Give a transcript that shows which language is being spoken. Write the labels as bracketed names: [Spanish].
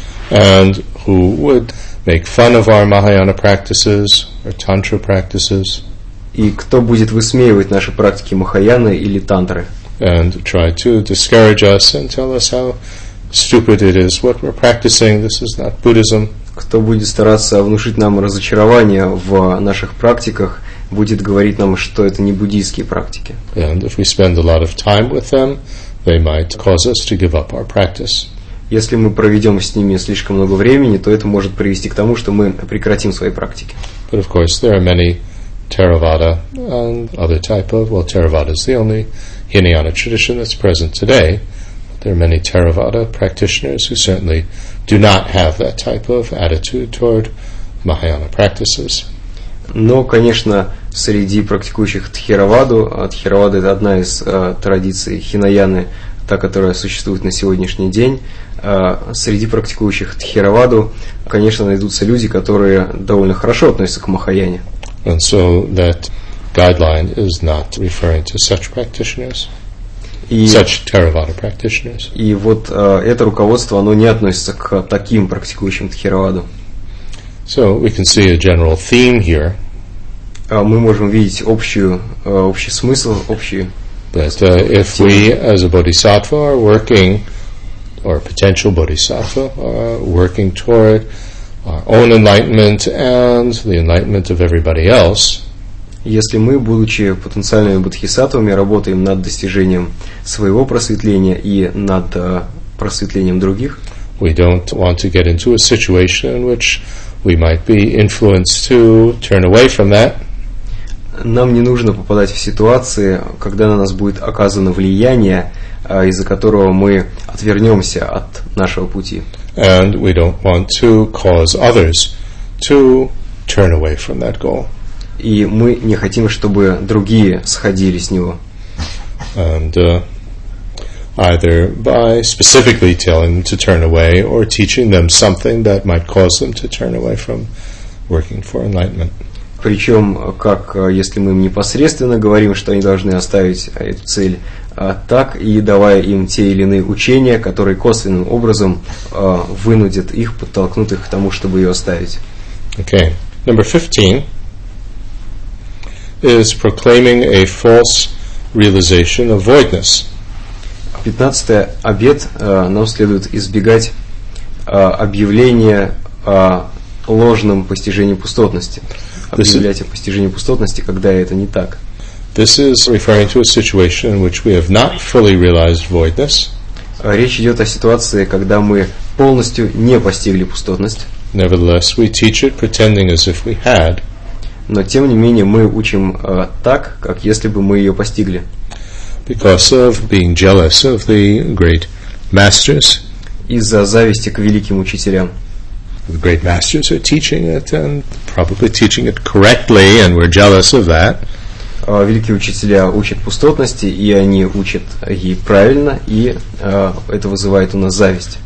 [English] And who would make fun of our Mahayana practices or tantra practices? [Russian] И кто будет высмеивать наши практики Махаяны или тантры? [English] And try to discourage us and tell us how stupid it is what we're practicing. This is not Buddhism. [Russian] Кто будет стараться внушить нам разочарование в наших практиках, будет говорить нам, что это не буддийские практики. [English] And if we spend a lot of time with them, they might cause us to give up our practice. [Russian] Если мы проведем с ними слишком много времени, то это может привести к тому, что мы прекратим свои практики. [English] But of course, there are many Theravada and other type of... Well, Theravada is the only Hinayana tradition that's present today. There are many Theravada practitioners who certainly do not have that type of attitude toward Mahayana practices. [Russian] Но, конечно, среди практикующих Тхераваду, а Тхеравада – это одна из традиций Хинаяны, та, которая существует на сегодняшний день, среди практикующих Тхераваду, конечно, найдутся люди, которые довольно хорошо относятся к Махаяне. [English] And so that guideline is not referring to such practitioners. such Theravada practitioners. [Russian] И вот это руководство, оно не относится к таким практикующим Тхераваду. [English] So we can see a general theme here. [Russian] Мы можем видеть общую, общий смысл, общую. [English] That if we, as a bodhisattva, are working, or a potential bodhisattva, are working toward our own enlightenment and the enlightenment of everybody else. [Russian] Если мы, будучи потенциальными бодхисаттвами, работаем над достижением своего просветления и над просветлением других. [English] We don't want to get into a situation in which we might be influenced to turn away from that. [Russian] Нам не нужно попадать в ситуации, когда на нас будет оказано влияние, из-за которого мы отвернемся от нашего пути. [English] And we don't want to cause others to turn away from that goal. [Russian] И мы не хотим, чтобы другие сходили с него. [English] And either by specifically telling them to turn away or teaching them something that might cause them to turn away from working for enlightenment. [Russian] Причем, как если мы им непосредственно говорим, что они должны оставить эту цель так, и давая им те или иные учения, которые косвенным образом вынудят их, подтолкнут их к тому, чтобы ее оставить. [English] Okay. Number 15 is proclaiming a false realization of voidness. [Russian] 15-й обет нам следует избегать объявления о ложном постижении пустотности. Объявлять о постижении пустотности, когда это не так. [English] This is referring to a situation in which we have not fully realized voidness. [Russian] Речь идет о ситуации, когда мы полностью не постигли пустотность. [English] Nevertheless, we teach it pretending as if we had. [Russian] Но тем не менее мы учим так, как если бы мы ее постигли. [English] Because of being jealous of the great masters. [Russian] Из-за зависти к великим учителям. [English] The great masters are teaching it and probably teaching it correctly, and we're jealous of that. [Russian] Великие учителя учат пустотности, и они учат ей правильно, и это вызывает у нас зависть.